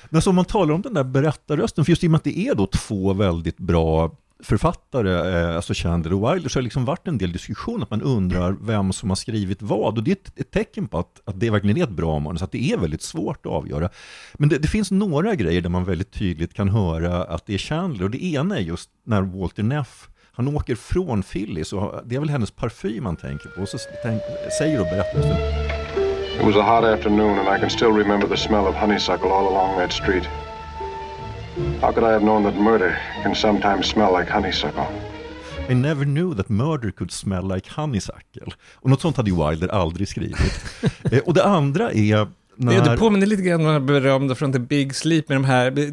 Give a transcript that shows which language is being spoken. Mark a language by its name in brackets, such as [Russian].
[Swedish] Men så om man talar om den där berättarrösten, för just i och med att det är då två väldigt bra författare, alltså Chandler och Wilder, så har det liksom varit en del diskussion att man undrar vem som har skrivit vad, och det är ett tecken på att det verkligen är ett bra manus, att det är väldigt svårt att avgöra. Men det finns några grejer där man väldigt tydligt kan höra att det är Chandler, och det ena är just när Walter Neff, han åker från Phyllis, och det är väl hennes parfym man tänker på, och så säger och berättar det. [English] It was a hot afternoon and I can still remember the smell of honeysuckle all along that street. How could I have known that murder can sometimes smell like honeysuckle? I never knew that murder could smell like honeysuckle. [Swedish] Och något sånt hade Wilder aldrig skrivit. Och det andra är... när... Det påminner lite grann om den berömda från The Big Sleep med de här...